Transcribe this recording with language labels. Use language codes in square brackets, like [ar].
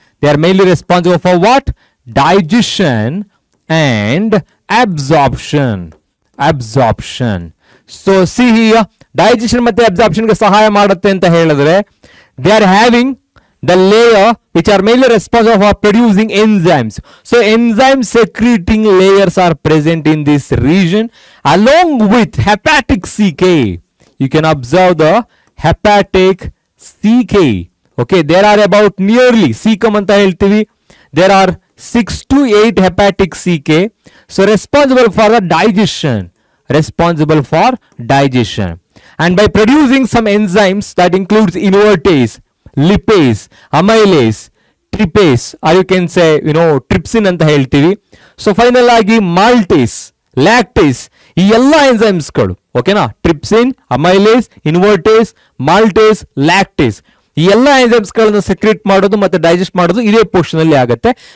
[en] They are mainly responsible for what? Digestion and absorption, absorption. So see here, [kn] digestion ಮತ್ತೆ absorption ಗೆ ಸಹಾಯ ಮಾಡುತ್ತೆ ಅಂತ ಹೇಳಿದ್ರೆ, [en] They are having the layer which are mainly responsible for producing enzymes. So enzyme secreting layers are present in this region along with hepatic CK. You can observe the hepatic CK. Okay, there are about nearly cecum [kn] anta heltivi, [en] there are 6 to 8 hepatic CK. So responsible for the digestion, responsible for digestion. And by producing some enzymes that includes invertase, lipase, amylase, trypase, or you can say you know trypsin [kn] ಅಂತ ಹೇಳ್ತೀವಿ. So final ಆಗಿ ಮಾಲ್ಟೇಸ್, lactase, ಈ ಎಲ್ಲ ಎನ್ಸೈಮ್ಸ್ಗಳು, ಓಕೆನಾ, trypsin, amylase, ಇನ್ವರ್ಟೇಸ್, ಮಾಲ್ಟೇಸ್, lactase, ಈ ಎಲ್ಲ ಎನ್ಸೈಮ್ಸ್ಗಳನ್ನ secrete ಮಾಡೋದು ಮತ್ತೆ ಡೈಜೆಸ್ಟ್ ಮಾಡೋದು ಇದೇ ಪೋರ್ಷನ್ ಅಲ್ಲಿ ಆಗುತ್ತೆ.